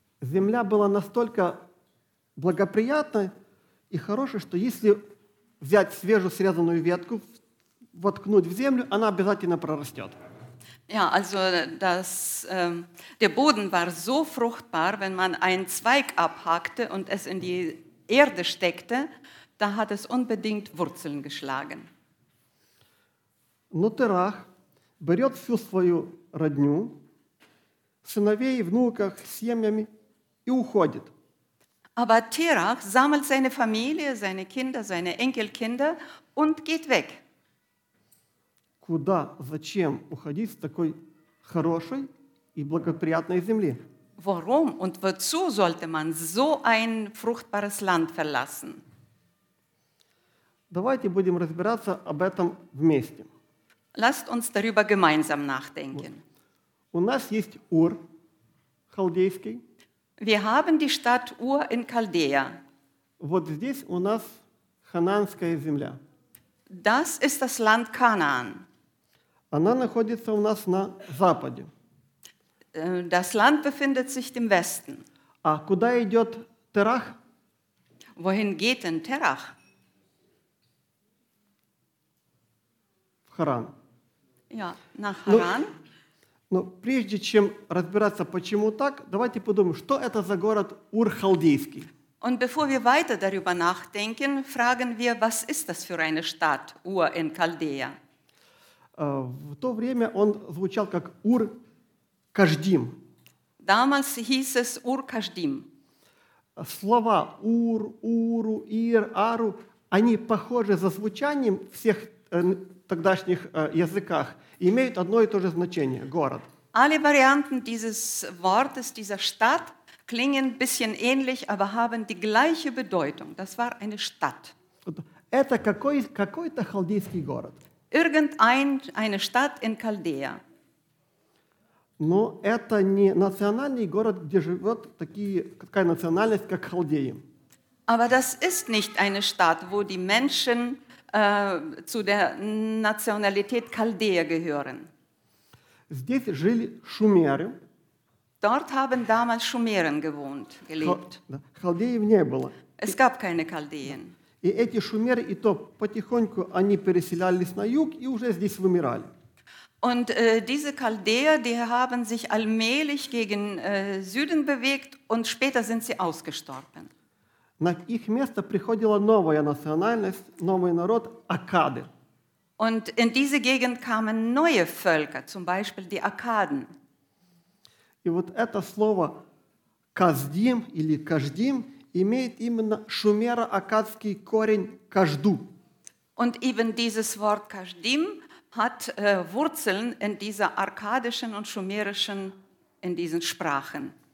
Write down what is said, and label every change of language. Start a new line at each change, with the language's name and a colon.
Russian: Земля была настолько благоприятна и хорошая, что если взять свежую срезанную ветку, воткнуть в землю, она обязательно прорастет.
German: Ja, also das, der Boden war so fruchtbar, wenn man einen Zweig abhackte und es in die Erde steckte, da hat es unbedingt Wurzeln geschlagen.
Russian: Но Терах берет всю свою родню, сыновей, внуков, семьями и уходит.
German: Aber Terach sammelt seine Familie, seine Kinder, seine Enkelkinder und geht weg.
Russian: Куда, зачем уходить с такой хорошей и благоприятной земли?
German: Warum und wozu sollte man so ein fruchtbares Land verlassen?
Russian: Давайте будем разбираться об этом вместе.
German: Lasst uns darüber gemeinsam nachdenken.
Russian: У нас есть Ур халдейский.
German: Wir haben die Stadt Ur in Chaldea.
Russian: Вот здесь у нас хананская земля.
German: Das ist das Land Kanaan.
Russian: Она находится у нас на западе.
German: Das Land befindet sich im Westen.
Russian: А куда идет Терах?
German: Wohin geht denn Terach?
Russian: В Харан.
German: Ja, nach Haran.
Russian: Но прежде чем разбираться, почему так, давайте подумаем, что это за город Ур-Халдейский.
German: Und bevor wir weiter darüber nachdenken, fragen wir, was ist das für eine Stadt Ur in Chaldea?
Russian: В то время он звучал как Ур-Каждим.
German: Damals hieß es Ur-Каждим.
Russian: Слова Ур, Уру, Ир, Ару, они похожи за звучанием всех тогдашних языках. Имеют одно и то же значение – город.
German: Alle Varianten dieses Wortes, dieser Stadt, klingen ein bisschen ähnlich, aber haben die gleiche Bedeutung. Das war eine Stadt.
Russian: Это какой-то халдейский город.
German: Irgendeine Stadt in Chaldea.
Russian: Но это не национальный город, где живет такая национальность, как халдеи.
German: Aber das ist nicht eine Stadt, wo die Menschen zu der Nationalität Chaldea gehören.
Russian: Здесь жили шумеры.
German: Dort haben damals Schumeren gewohnt, gelebt.
Russian: Халдеев не было.
German: Es gab keine Chaldeen.
Russian: И эти шумеры и то потихоньку они переселялись на юг и уже здесь вымирали.
German: Und diese Chaldeer, die haben sich allmählich gegen Süden bewegt und später sind sie ausgestorben.
Russian: На их место приходила новая национальность, новый народ – Акады.
German: Und in diese Gegend kamen neue Völker, zum Beispiel die Akkaden.
Russian: И вот это слово «каздим» или «каждим» имеет именно шумеро-аккадский корень «кажду».
German: Und eben dieses Wort «каждим» hat Wurzeln in dieser arkadischen und schumerischen, in diesen Sprachen.